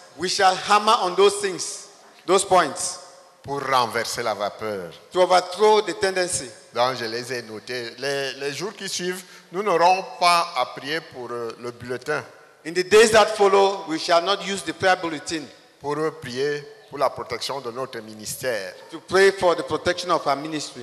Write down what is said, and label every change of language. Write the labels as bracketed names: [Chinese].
[English] We shall hammer on those things, those points. [French] Pour renverser la vapeur. [English] To overthrow the tendency. [French] Donc, je les ai notés. Les jours qui suivent, nous n'aurons pas à prier pour le bulletin. [English] In the days that follow, we shall not use the prayer bulletin. [French] Pour prier pour la protection de notre ministère. [English] To pray for the protection of our ministry.